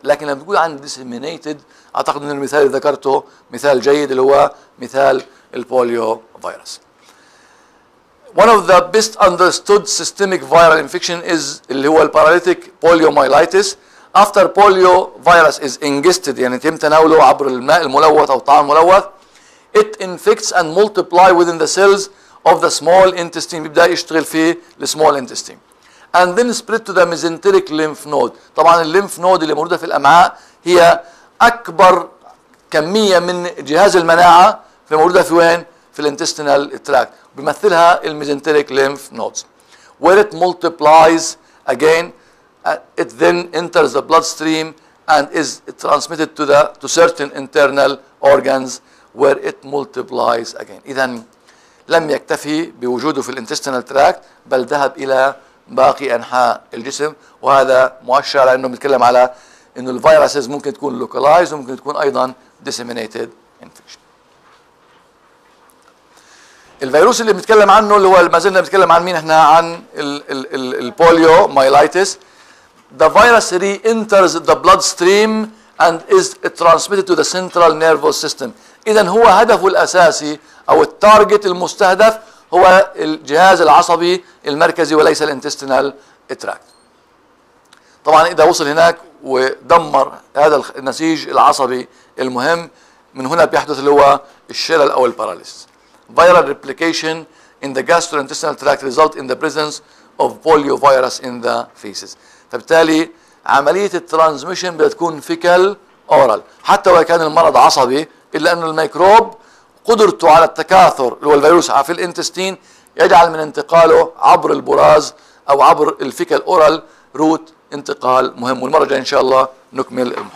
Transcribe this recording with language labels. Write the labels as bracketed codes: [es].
[ar] لكن لما بنقول عن ديسيمينيتد اعتقد ان المثال اللي ذكرته مثال جيد، اللي هو مثال البوليو فيروس. [en] One of the best understood systemic viral infection is [ar] اللي هو الباراليتيك بوليوميلايتيس. [en] After polio virus is ingested [ar] يعني يتم تناوله عبر الماء الملوث او الطعام الملوث، [en] it infects and multiply within the cells of the small intestine، [ar] بيبدا يشتغل في السمول انتستين. [en] And then spread to the mesenteric lymph node. [ar] طبعا الليمف نود اللي موجوده في الامعاء هي اكبر كميه من جهاز المناعه، فموجودة في وين؟ في الانتستينال تراك، بيمثلها الميزنتريك ليمف نودز. [en] Where it multiplies again, it then enters the bloodstream and is transmitted to certain internal organs where it multiplies again. [ar] إذا لم يكتفي بوجوده في الانتستينال تراك، بل ذهب إلى باقي أنحاء الجسم، وهذا مؤشر لأنه بنتكلم على إنه الفيروسز ممكن تكون لوكالايز وممكن تكون أيضا [en] disseminated infection. [ar] الفيروس اللي بنتكلم عنه اللي هو ما زلنا بنتكلم عن مين احنا؟ عن البوليو مايلايتس. [en] The virus re-enters the bloodstream and is transmitted to the central nervous system. [ar] اذا هو هدفه الاساسي او التارجت المستهدف هو الجهاز العصبي المركزي وليس الانتستينال تراكت. طبعا اذا وصل هناك ودمر هذا النسيج العصبي المهم. من هنا بيحدث اللي هو الشلل او الباراليس. [en] Viral replication in the gastrointestinal tract result in the presence of poliovirus in the feces. [ar] فبالتالي عملية الترانزميشن بتكون فيكال اورال. حتى وإن كان المرض عصبي الا ان الميكروب قدرته على التكاثر اللي هو الفيروس في الانتستين يجعل من انتقاله عبر البراز او عبر الفيكال اورال روت انتقال مهم. والمرة الجاية ان شاء الله نكمل المحاضرة.